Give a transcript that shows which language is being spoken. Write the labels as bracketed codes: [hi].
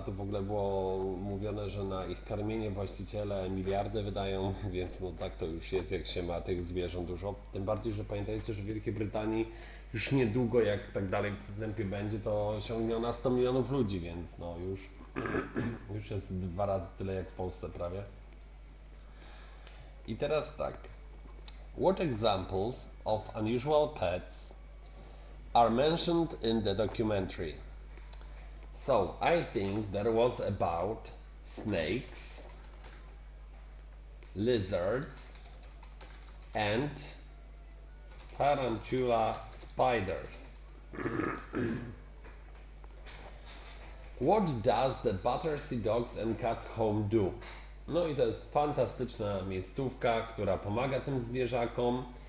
[pl] Tu w ogóle było mówione, że na ich karmienie właściciele miliardy wydają, więc no, tak to już jest, jak się ma tych zwierząt dużo. Tym bardziej, że pamiętajcie, że w Wielkiej Brytanii już niedługo, jak tak dalej w tempie będzie, to osiągnie ona 100 milionów ludzi, więc no już... Już jest dwa razy tyle jak w Polsce prawie. I teraz tak. [en] What examples of unusual pets are mentioned in the documentary? So, I think there was about snakes, lizards and tarantula spiders. What does the Battersea Dogs and Cats Home do? [pl] No i to jest fantastyczna miejscówka, która pomaga tym zwierzakom.